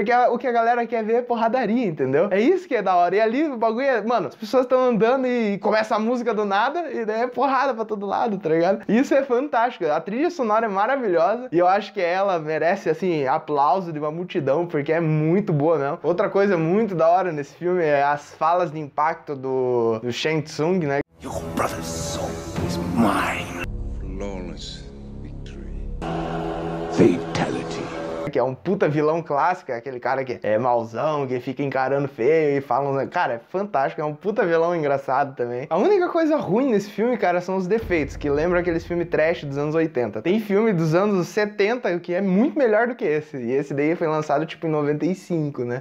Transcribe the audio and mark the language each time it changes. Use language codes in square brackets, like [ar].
[pt] Porque o que a galera quer ver é porradaria, entendeu? É isso que é da hora. E ali o bagulho é, mano, as pessoas estão andando e começa a música do nada, e daí é porrada pra todo lado, tá ligado? Isso é fantástico. A trilha sonora é maravilhosa, e eu acho que ela merece, assim, aplauso de uma multidão, porque é muito boa, né? Outra coisa muito da hora nesse filme é as falas de impacto do Shang Tsung, né? [en] Your brother's soul is mine. Flawless victory. Fatality. [pt] Que é um puta vilão clássico, é aquele cara que é mauzão, que fica encarando feio e fala... Cara, é fantástico, é um puta vilão engraçado também. A única coisa ruim nesse filme, cara, são os defeitos, que lembra aqueles filmes trash dos anos 80. Tem filme dos anos 70 que é muito melhor do que esse, e esse daí foi lançado tipo em 95, né?